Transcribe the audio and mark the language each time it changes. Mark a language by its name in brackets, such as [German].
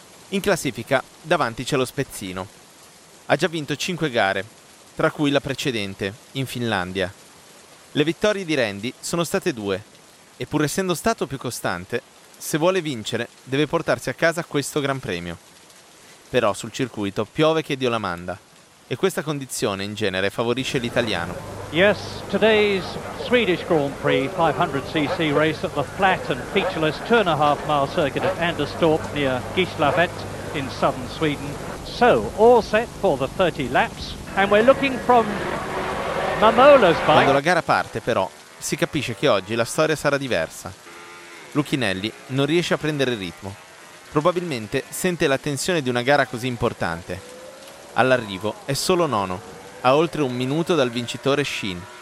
[Italian] In classifica davanti c'è lo spezzino. Ha già vinto 5 gare, tra cui la precedente, in Finlandia. Le vittorie di Randy sono state 2, e pur essendo stato più costante, se vuole vincere deve portarsi a casa questo Gran Premio. Però sul circuito piove che Dio la manda, e questa condizione in genere favorisce l'italiano. [English] Yes, today's Swedish Grand Prix 500cc race at the flat and featureless two and a half mile circuit at Anderstorp near Gislaved in southern Sweden. So, all set for the 30 laps and we're looking from Mamola's bike. [Italian] Quando la gara parte, però, si capisce che oggi la storia sarà diversa. Lucchinelli non riesce a prendere il ritmo. Probabilmente sente la tensione di una gara così importante. All'arrivo è solo nono, a oltre un minuto dal vincitore Sheen.